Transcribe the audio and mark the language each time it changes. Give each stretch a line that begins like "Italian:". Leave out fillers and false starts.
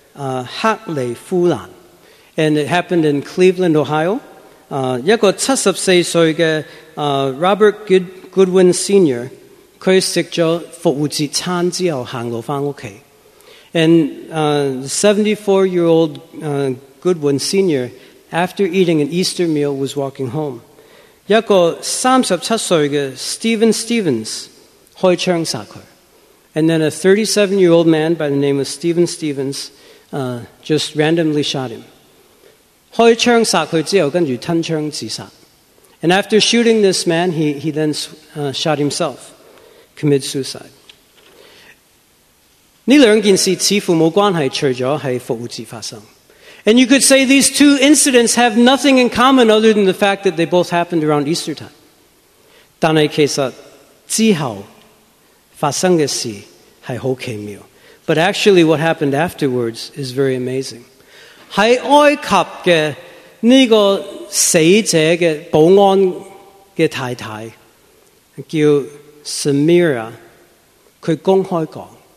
Chinese: 在美国,俄克俄州,是这个克利夫兰。
English: And it happened in Cleveland, Ohio.
Chinese: 一个74岁的Robert
English: Goodwin Sr.
Chinese: 他吃了复活节餐之后走回家。
English: And the 74-year-old Goodwin Sr., after eating an Easter meal, was walking home.
Chinese: 一个37岁的Stephen Stevens 开枪杀他。
English: And then a 37-year-old man by the name of Stephen Stevens just randomly shot him.
Chinese: 开枪杀他之后,跟着吞枪自杀。
English: And after shooting this man, he then shot himself, commit suicide.
Chinese: 这两件事似乎没关系,除了是复活节发生。
English: And you could say these two incidents have nothing in common other than the fact that they both happened around Easter time.
Chinese: 但是其实之后发生的事,
English: But actually what happened afterwards is very amazing.
Chinese: 在埃及的死者的保安的太太叫Samira,她公开说,